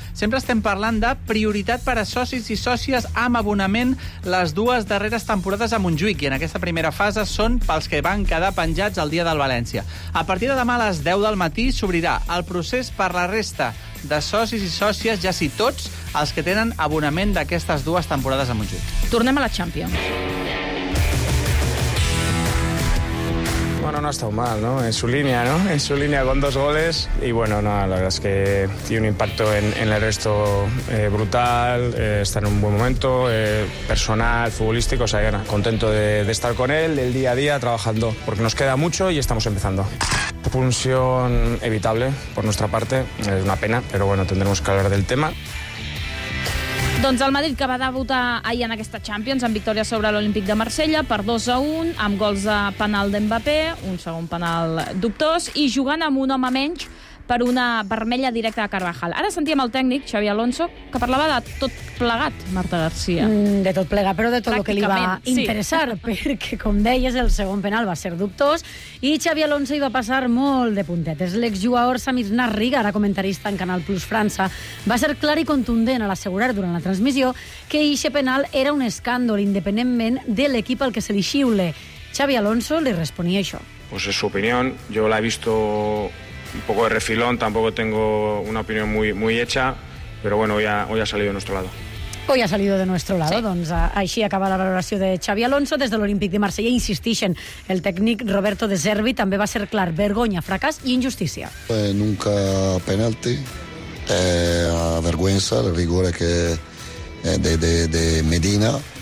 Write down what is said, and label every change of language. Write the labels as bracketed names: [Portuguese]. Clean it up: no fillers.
[Catalan] Sempre estem parlant de prioritat per a socis i sòcies amb abonament les dues darreres temporades a Montjuïc, i en aquesta primera fase són pels que van quedar penjats el dia del València. A partir de demà a les 10 del matí s'obrirà el procés per la resta de socis i sòcies, ja si tots els que tenen abonament d'aquestes dues temporades a Montjuïc. Tornem a la Champions. [Spanish] Bueno, no ha estado mal, ¿no? En su línea, ¿no? En su línea con dos goles. Y bueno, no, la verdad es que tiene un impacto en el resto brutal. Está en un buen momento personal, futbolístico. O sea, Ana, contento de estar con él el día a día trabajando. Porque nos queda mucho y estamos empezando. Expulsión evitable por nuestra parte. Es una pena, pero bueno, tendremos que hablar del tema. [Catalan] Doncs el Madrid, que va debutar ahir en aquesta Champions amb victòria sobre l'Olímpic de Marsella per 2-1, amb gols de penal d'Mbappé, un segon penal dubtós, i jugant amb un home menys per una vermella directa a Carvajal. Ara sentíem el tècnic, Xavi Alonso, que parlava de tot plegat, Marta García. De tot plegat, però de tot el que li va interessar, sí. Perquè, com deies, el segon penal va ser dubtós i Xavi Alonso hi va passar molt de puntetes. L'exjugador Samir Nasriga, ara comentarista en Canal Plus França, va ser clar i contundent a l'assegurar durant la transmissió que eixe penal era un escàndol, independentment de l'equip al que se li xiule. Xavi Alonso li responia això. [Spanish] Pues es su opinión, yo la he visto un poco de refilón, tampoco tengo una opinión muy hecha, pero bueno, hoy ha salido de nuestro lado. Hoy ha salido de nuestro lado, sí. [Catalan] Doncs així acaba la valoració de Xavi Alonso. Des de l'Olímpic de Marsella insistixen. El tècnic Roberto De Zerbi també va ser clar: vergonya, fracàs i injustícia. [Spanish] Nunca penalti, vergüenza, el rigor que de Medina.